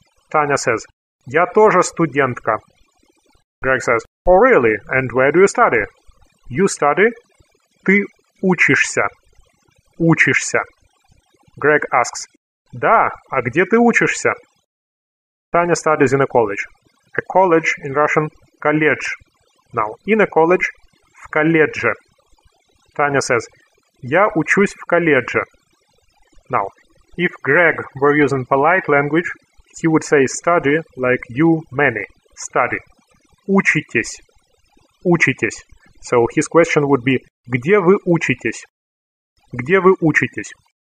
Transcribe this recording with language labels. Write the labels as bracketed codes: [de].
[en] Tanya says, [ru] я тоже студентка. [en] Greg says, oh really, and where do you study? You study? [ru] Ты учишься. Учишься. [en] Greg asks, [ru] да, а где ты учишься? [en] Tanya studies in a college. A college, in Russian, колледж. Now, in a college, [ru] в колледже. [en] Tanya says, [ru] я учусь в колледже. [en] Now, if Greg were using polite language, he would say study like you many. Study. [ru] Учитесь. Учитесь. [en] So his question would be, [ru] где вы учитесь? Где вы учитесь?